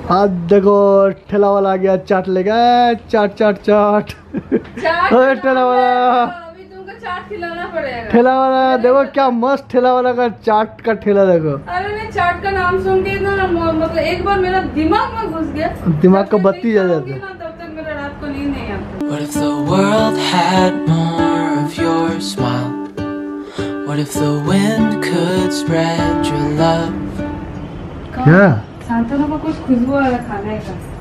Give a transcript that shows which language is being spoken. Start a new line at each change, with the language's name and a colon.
Hindi: आज देखो ठेला वाला आ गया, चाट लेगा, चाट चाट चाट, ठेला वाला ठेला वाला, देखो क्या मस्त ठेला वाला का चाट का ठेला, देखो अरे चाट का नाम सुन के ना, मतलब एक बार मेरा दिमाग में घुस गया, दिमाग का बत्ती जा जाता है, तब तक मेरा रात को नींद नहीं आता।
English: What if the world had more of your smile? What if the wind could spread your love? Yeah.
Hindi: Shantanu को कुछ खुशबू आ रहा खाने का,